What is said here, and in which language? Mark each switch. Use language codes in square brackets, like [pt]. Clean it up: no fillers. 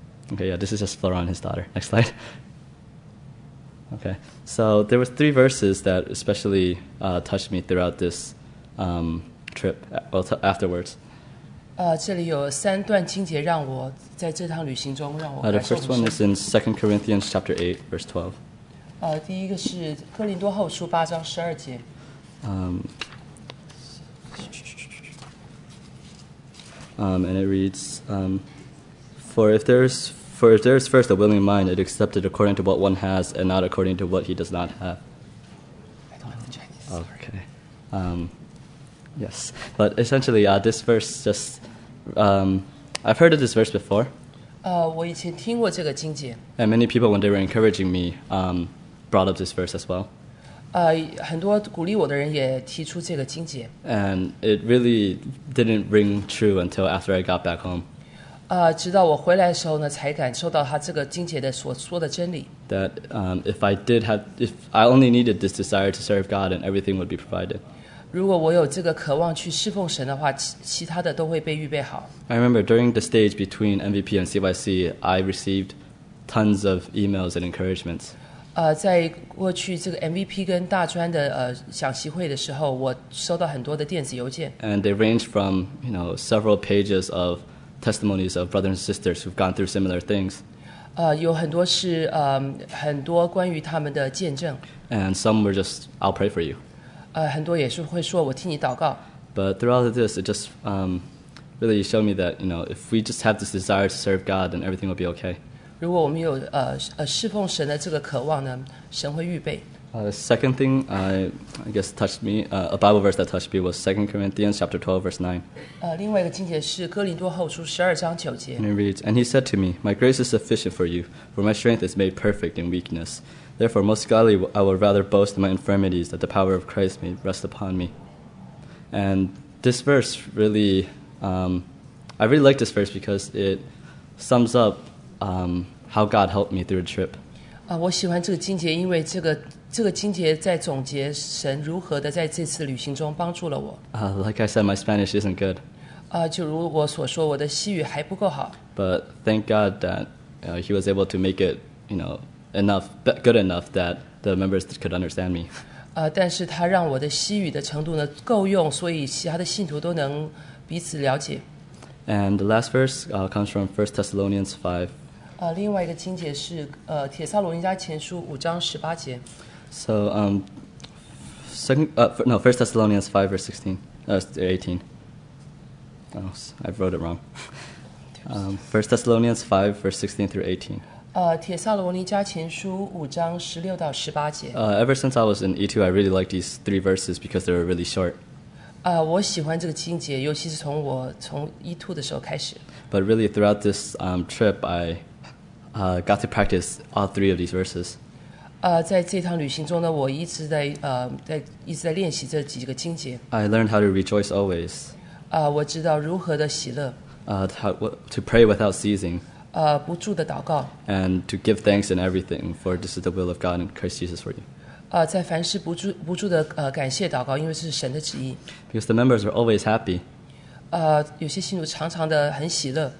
[en] Okay, yeah, this is just Flora and his daughter. Next slide. Okay, so there were three verses that especially touched me throughout this trip, well, afterwards. [zh] 这里有三段经节让我在这趟旅行中让我感受的是。 [en] The first one is in 2 Corinthians chapter 8, verse 12. [zh] 第一个是哥林多后书八章十二节。 [en] And it reads, For if there is first a willing mind, it is accepted according to what one has, and not according to what he does not have. I don't know Chinese. Okay. Yes. But essentially, this verse just... I've heard of this verse before. [zh] 我以前听过这个经节。 [en] And many people, when they were encouraging me, brought up this verse as well. [zh] 很多鼓励我的人也提出这个经节。 [en] And it really didn't ring true until after I got back home. [zh] 直到我回来的时候呢，才感受到他这个经节的所说的真理。 [en] That if I only needed this desire to serve God, and everything would be provided. [zh] 如果我有这个渴望去侍奉神的话，其他的都会被预备好。 [en] I remember during the stage between MVP and CYC, I received tons of emails and encouragements. [zh] 在过去这个 MVP 跟大专的讲习会的时候，我收到很多的电子邮件。 [en] And they range from several pages of testimonies of brothers and sisters who've gone through similar things. [zh] 有很多是很多关于他们的见证。 [en] And some were just, I'll pray for you. [zh] 很多也是会说我替你祷告。 [en] But throughout this, it just really showed me that if we just have this desire to serve God, then everything will be okay. [zh] 如果我们有侍奉神的这个渴望呢，神会预备。 [en] The second thing I guess touched me, a Bible verse that touched me was 2 Corinthians chapter 12, verse 9. [zh] 另外一个经节是哥林多后书十二章九节。 [en] And it reads, And he said to me, My grace is sufficient for you, for my strength is made perfect in weakness. Therefore, most gladly, I would rather boast in my infirmities that the power of Christ may rest upon me. And this verse really, I really like this verse because it sums up how God helped me through the trip. [zh] 我喜欢这个经节，因为这个经节在总结神如何的在这次旅行中帮助了我。 [en] Like I said, my Spanish isn't good. [zh] 就如我所说，我的西语还不够好。 [en] But thank God that he was able to make it, good enough that the members could understand me. [zh] 但是他让我的西语的程度呢够用，所以其他的信徒都能彼此了解。 [en] And the last verse comes from 1 Thessalonians 5. [zh] 另外一个经节是帖撒罗尼迦前书五章十八节。 [en] So, First Thessalonians 5 verse 16, 18. Oh, I wrote it wrong. First Thessalonians 5 verse 16 through 18. [zh] 帖撒罗尼迦前书五章十六到十八节。 [en] Ever since I was in E2, I really liked these three verses because they were really short. [zh] 我喜欢这个经节，尤其是从我从 E2 的时候开始。 [en] But really, throughout this trip, I got to practice all three of these verses. [zh] 在这趟旅行中呢，我一直在一直在练习这几个经节。 [en] I learned how to rejoice always. [zh] 我知道如何的喜乐。 [en] To pray without ceasing. [zh] 不住的祷告 [en] and to give thanks in everything, for this is the will of God in Christ Jesus for you. [zh] 在凡事不住的感谢祷告，因为这是神的旨意。 [en] Because the members are always happy. [zh] 有些信徒常常的很喜乐。